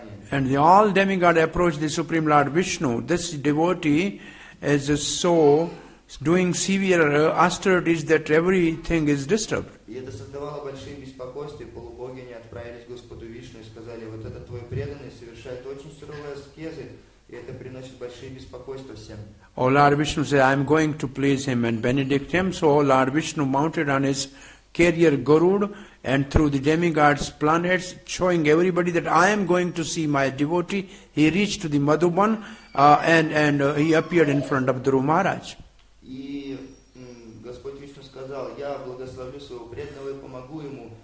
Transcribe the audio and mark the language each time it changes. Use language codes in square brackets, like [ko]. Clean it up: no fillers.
[en] And all demigods approached the Supreme Lord Vishnu. This devotee is so doing severe austerities that everything is disturbed. [ru] И это создавало большие беспокойства, и полубоги не отправились к Господу Вишну и сказали, вот этот твой преданный совершает очень суровые аскезы, и это приносит большие беспокойства всем. [en] О, Lord Vishnu said, I am going to please him and benedict him. So, Lord Vishnu mounted on his carrier Garuda and through the demigods' planets, showing everybody that I am going to see my devotee, he reached to the Madhuban and he appeared in front of Dhruva Maharaj. [ru] И Господь Вишну сказал, я благословлю своего преданного и помогу ему.